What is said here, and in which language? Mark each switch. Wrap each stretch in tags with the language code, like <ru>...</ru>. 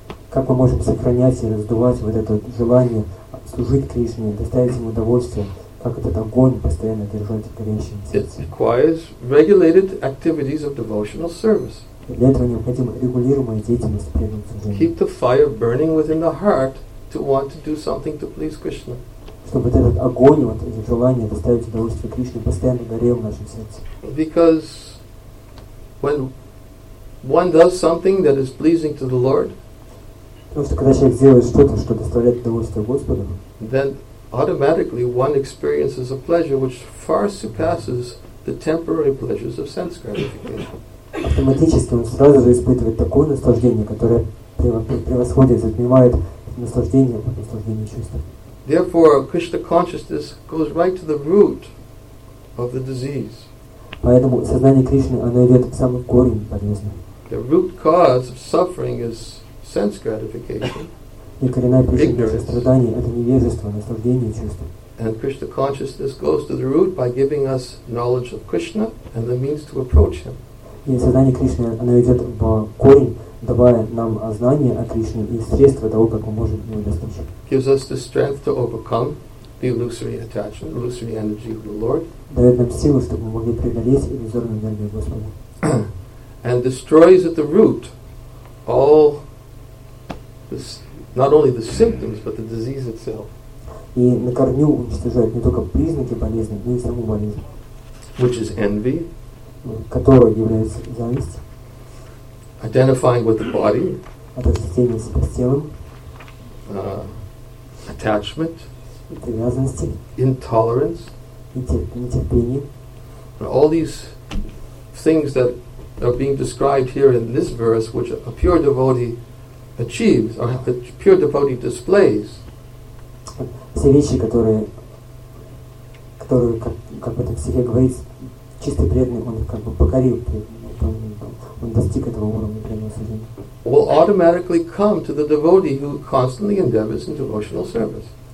<ru>Как мы можем сохранять и раздувать вот это желание служить Кришне, доставить ему удовольствие, как этот огонь постоянно держать горящим в сердце.</ru> <en>It requires regulated activities of devotional service.</en> <ru>Для этого необходима регулируемая деятельность преданного служения.</ru> <en>Keep the fire burning within the heart to want to do something to please Krishna.</en> <ru>Чтобы этот огонь, вот это желание доставить удовольствие Кришне, постоянно горел в нашем сердце.</ru> <en>Because when one does something that is pleasing to the Lord,</en> <ru>потому что когда человек делает что-то, что доставляет удовольствие Господу,</ru> <en>then automatically one experiences a pleasure which far surpasses the temporary pleasures of sense gratification.</en> <ru>Автоматически он сразу же испытывает такое наслаждение, которое превосходит, затмевает наслаждение, наслаждение чувства.</ru> <en>Therefore, Krishna consciousness goes right to the root of the disease.</en> <ru>Поэтому сознание Кришны, оно идет в самый корень болезни.</ru> <en>The root cause of suffering is sense gratification.</en> <ru>И коренная причина страданий — это невежество, наслаждение чувством.</ru> <en>And Krishna consciousness goes to the root by giving us knowledge of Krishna and the means to approach Him.</en> <ru>И сознание Кришны, оно идет в корень, давая нам знание о Кришне и средства того, как мы можем его достичь.</ru> <en>Gives us the strength to overcome the illusory attachment, illusory energy of the Lord.</en> <ru>Дает нам силу, чтобы мы могли преодолеть иллюзорную энергию Господа.</ru> <en>And destroys at the root all this, not only the symptoms, but the disease itself.</en> <ru>И на корню уничтожает не только признаки болезни, но и саму болезнь.</ru> <en>Which is envy.</en> <ru>Которая является зависть.</ru> <en>Identifying with the body.</en> <ru>Отождествление с телом.</ru> <en>Attachment.</en> <ru>Привязанности.</ru> <en>Intolerance.</en> <ru>Нетерпение.</ru> <en>All these things that are being described here in this verse, which a pure devotee achieves, or a pure devotee displays.</en> <ru>Все вещи, которые как в этом стихе говорится, чистый преданный, он как бы покорил, он достиг этого уровня преданного служения.</ru> <en>Will automatically come to the devotee who constantly endeavors in devotional service.</en>